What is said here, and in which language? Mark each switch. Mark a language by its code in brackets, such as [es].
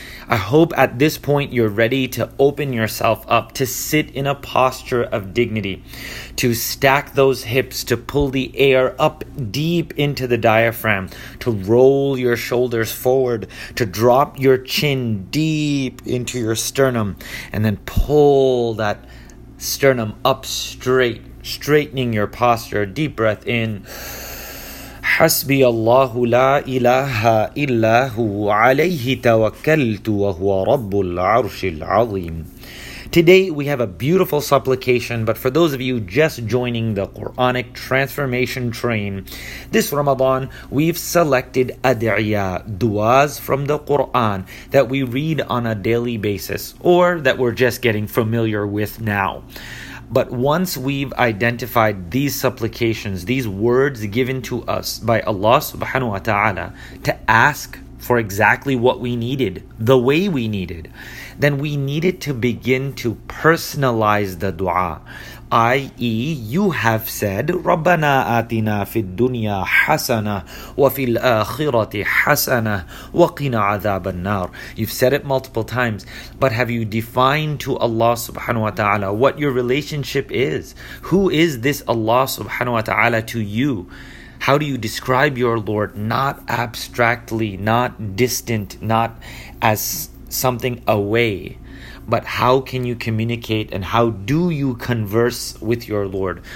[en] I hope at this point you're ready to open yourself up, to sit in a posture of dignity, to stack those hips, to pull the air up deep into the diaphragm, to roll your shoulders forward, to drop your chin deep into your sternum, and then pull that sternum up straight, straightening your posture. Deep breath in. [ar] حسبي الله لا إله إلا هو عليه توكلت وهو رب العرش العظيم. [en] Today we have a beautiful supplication, but for those of you just joining the Quranic transformation train, this Ramadan we've selected adiya, du'as from the Quran that we read on a daily basis or that we're just getting familiar with now. But once we've identified these supplications, these words given to us by Allah subhanahu wa ta'ala to ask for exactly what we needed, the way we needed, then we needed to begin to personalize the dua. I.e., you have said, [ar] رَبَّنَا آتِنَا فِي الدُّنْيَا حَسَنَةً وَفِي الْآخِرَةِ حَسَنَةً وَقِنَا عَذَابَ النَّارِ. [en] You've said it multiple times, but have you defined to Allah subhanahu wa ta'ala what your relationship is? Who is this Allah subhanahu wa ta'ala to you? How do you describe your Lord? Not abstractly, not distant, not as something away, but how can you communicate and how do you converse with your Lord?